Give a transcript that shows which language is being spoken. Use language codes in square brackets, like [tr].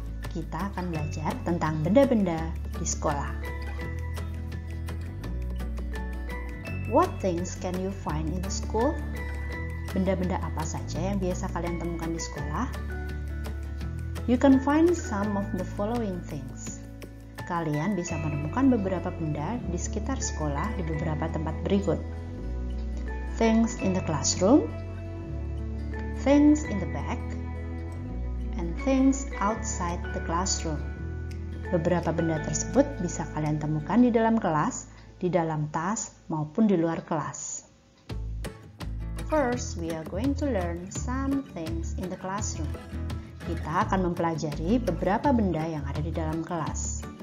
[id] Kita akan belajar tentang benda-benda di sekolah. [en] What things can you find in the school? [id] Benda-benda apa saja yang biasa kalian temukan di sekolah? [en] You can find some of the following things. [id] Kalian bisa menemukan beberapa benda di sekitar sekolah di beberapa tempat berikut. [en] Things in the classroom, things in the back, and things outside the classroom. [id] Beberapa benda tersebut bisa kalian temukan di dalam kelas, di dalam tas, maupun di luar kelas. [en] First, we are going to learn some things in the classroom. [id] Kita akan mempelajari beberapa benda yang ada di dalam kelas.